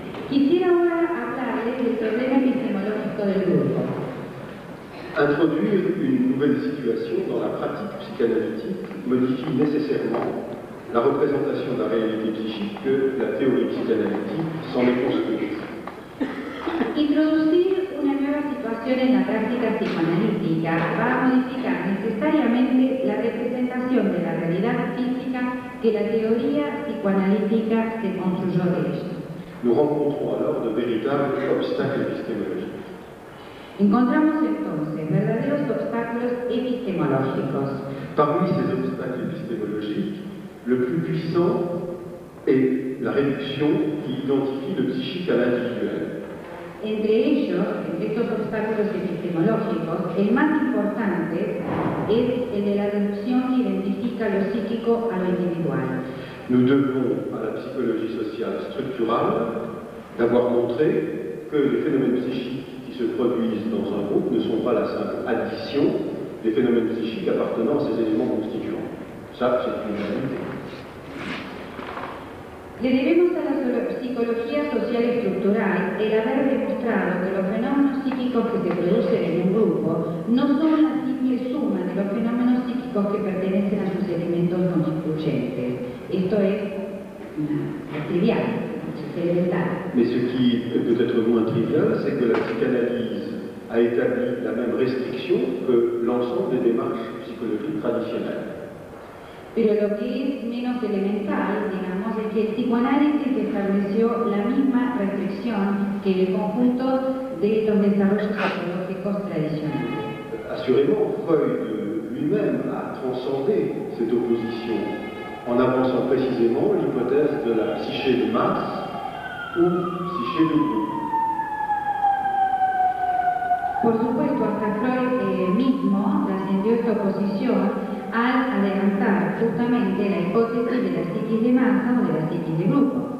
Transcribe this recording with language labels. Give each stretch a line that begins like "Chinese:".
Spanish: Quisiera ahora hablarles del problema epistemológico del grupo.
French: Introduire une nouvelle situation dans la pratique psychanalytique modifie nécessairement la représentation de la réalité psychique que la théorie psychanalytique s'en est construite.
Spanish: Introducir una nueva situación en la práctica psicoanalítica va a modificar necesariamente la representación de la realidad psíquica que la teoría psicoanalítica se construyó de ella.
French: Nous rencontrons alors de véritables obstacles épistémologiques.
Spanish: Encontramos entonces verdaderos obstáculos epistemológicos.
French: Parmi ces obstacles épistémologiques, le plus puissant est la réduction qui identifie le psychique à l'individuel.
Spanish: Entre ellos, entre estos obstáculos epistemológicos, el más importante es el de la reducción que identifica lo psíquico a lo individual.
French: Nous devons à la psychologie sociale structurale d'avoir montré que les phénomènes psychiques qui se produisent dans un groupe ne sont pas la simple addition des phénomènes psychiques appartenant à ces éléments constituants. Ça, c'est une réalité.
Spanish: Le debemos a la psicología social estructural el haber demostrado que los fenómenos psíquicos que se producen en un grupo no son la simple suma de los fenómenos psíquicos que pertenecen a sus elementos no excluyentes. Esto es trivial, es elemental.
French: Mais ce qui peut être moins trivial, c'est que la psychanalyse a établi la même restriction que l'ensemble des démarches psychologiques traditionnelles.
Spanish: Pero lo que es menos elemental, digamos, es que el psicoanálisis estableció la misma restricción que el conjunto de los desarrollos psicológicos tradicionales.
French: Assurément, Freud lui-même a transcendé cette opposition en avançant précisément l'hypothèse de la psyché de Marx ou psyché de Hugo.
Spanish: Por supuesto, hasta Freud mismo trascendió esta oposición al adelantar justamente la hipótesis de la psique
French: de masse ou
Spanish: de la psique de groupe.